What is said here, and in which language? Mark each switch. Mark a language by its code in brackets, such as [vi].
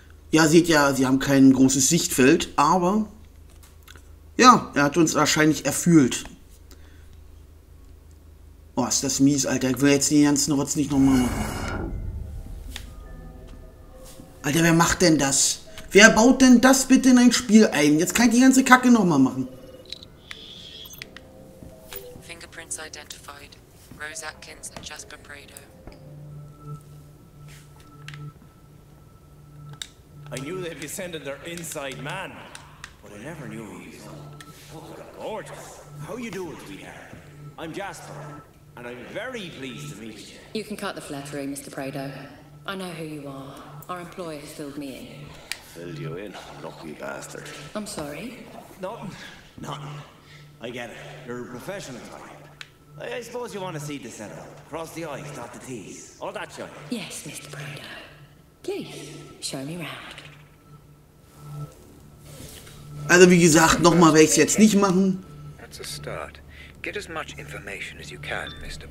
[de] Ja, seht ja, sie haben kein großes Sichtfeld, aber ja, er hat uns wahrscheinlich erfüllt. Oh, ist das mies, Alter. Ich will jetzt den ganzen Rotz nicht nochmal machen. Alter, wer macht denn das? Wer baut denn das bitte in ein Spiel ein? Jetzt kann ich die ganze Kacke nochmal machen. [en] Fingerprints identified. [de] Rose Atkins und Jasper Prado. [en] I knew they'd be sending their inside man. But I never knew who he was. Gorgeous. How you doing, sweetheart? I'm Jasper. And I'm very pleased to meet you. You can cut the flattery, Mr. Prado. I know who you are. Our employer has filled me in. Filled you in, lucky bastard. I'm sorry. Nothing. I get it. You're a professional type. I suppose you want to see the setup. Cross the I's, dot the T's. All that shit. Yes, Mr. Prado. Please, show me round. [de] Also, wie gesagt, nochmal werde ich es jetzt nicht machen. [en] That's a start. Get as much information as you can, Mr.